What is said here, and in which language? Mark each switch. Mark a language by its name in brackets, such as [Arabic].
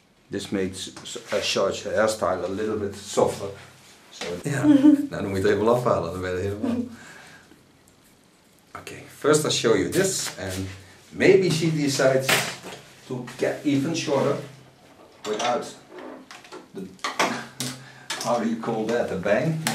[English] This makes a short hairstyle a little bit softer, Yeah. [Dutch] Nou, dan moet je het even afhalen, dan ben je helemaal. [English] Oké, first I'll show you this and maybe she decides to get even shorter without the, how do you call that, a bang?